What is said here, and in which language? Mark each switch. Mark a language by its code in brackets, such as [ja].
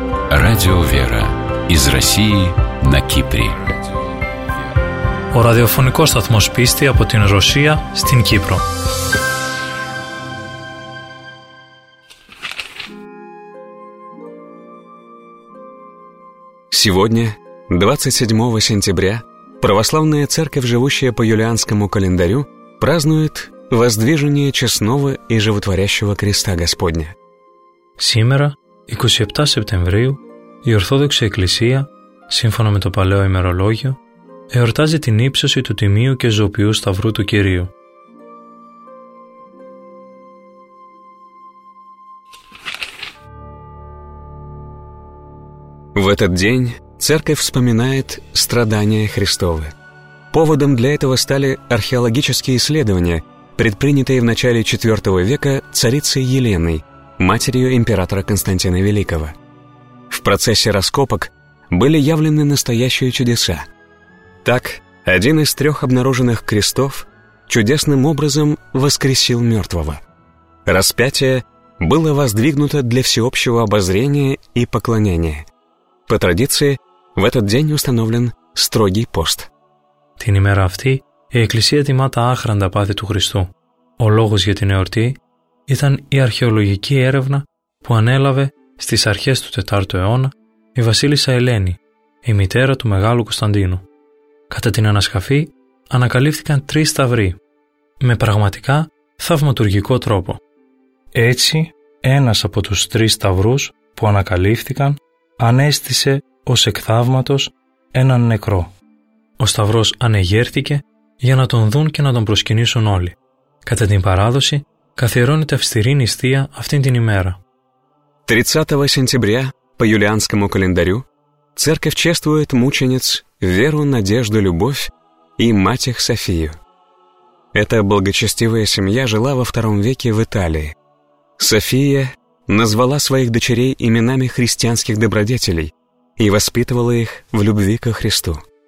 [ru] Радио «Вера» из России на Кипре. [el] Ο ραδιοφωνικός σταθμός πίστη από την Ρωσία στην Κύπρο. [ru] Сегодня, 27 сентября, православная церковь, живущая по юлианскому календарю, празднует воздвижение честного и животворящего креста Господня. Сегодня, 27 сентября, [el] η Ορθόδοξη Εκκλησία, σύμφωνα με το παλαιό ημερολόγιο, εορτάζει την ύψωση του Τιμίου και Ζωοποιού Σταυρού του Κυρίου. [ru] В этот день церковь вспоминает страдания Христовы. Поводом для этого стали археологические исследования, предпринятые в начале IV века царицей Еленой, матерью императора Константина Великого. В процессе раскопок были явлены настоящие чудеса. Так, один из трех обнаруженных крестов чудесным образом воскресил мертвого. Распятие было воздвигнуто для всеобщего обозрения и поклонения. По традиции, в этот день установлен строгий пост. [el] Την ημέρα αυτή, η Εκκλησία τιμά τα άχραντα πάθη του Χριστού. Ο λόγος για την εορτή ήταν η αρχαιολογική έρευνα που ανέλαβε στις αρχές του 4ου αιώνα η βασίλισσα Ελένη, η μητέρα του μεγάλου Κωνσταντίνου. Κατά την ανασκαφή ανακαλύφθηκαν τρεις σταυροί, με πραγματικά θαυματουργικό τρόπο. Έτσι, ένας από τους τρεις σταυρούς που ανακαλύφθηκαν ανέστησε ως εκ θαύματος έναν νεκρό. Ο σταυρός ανεγέρθηκε για να τον δουν και να τον προσκυνήσουν όλοι. Κατά την παράδοση, καθιερώνεται αυστηρή νηστεία αυτήν την ημέρα. [ru] 30 сентября по юлианскому календарю церковь чествует мучениц Веру, Надежду, Любовь и мать их Софию. Эта благочестивая семья жила во II веке в Италии. София назвала своих дочерей именами христианских добродетелей и воспитывала их в любви ко Христу.